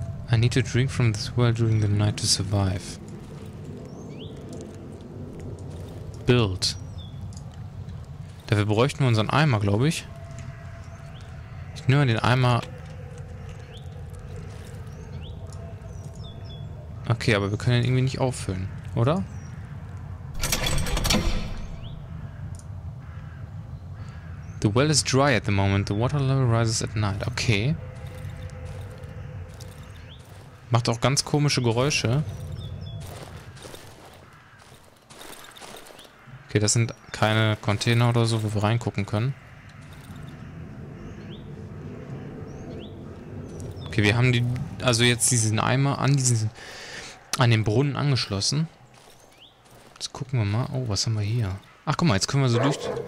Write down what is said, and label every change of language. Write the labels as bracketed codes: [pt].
[en] I need to drink from this well during the night to survive. Build. [de] Dafür bräuchten wir unseren Eimer, glaube ich. Ich nehme den Eimer. Okay, aber wir können ihn irgendwie nicht auffüllen, oder? [en] The well is dry at the moment. The water level rises at night. Okay. [de] Macht auch ganz komische Geräusche. Okay, das sind keine Container oder so, wo wir reingucken können. Okay, wir haben die, also jetzt diesen Eimer an diesen, an den Brunnen angeschlossen. Jetzt gucken wir mal. Oh, was haben wir hier? Ach, guck mal, jetzt können wir so durch...